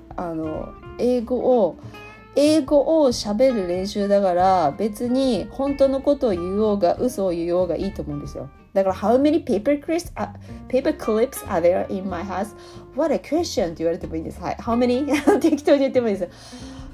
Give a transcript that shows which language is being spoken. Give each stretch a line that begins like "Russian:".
Japanese: あの、英語を喋る練習だから別に本当のことを言おうが嘘を言おうがいいと思うんですよ。
English: だから How many paper clips are there in my house? What a question!
Japanese: って言われてもいいんです。はい。
English: How many?
Japanese: 適当に言ってもいいです。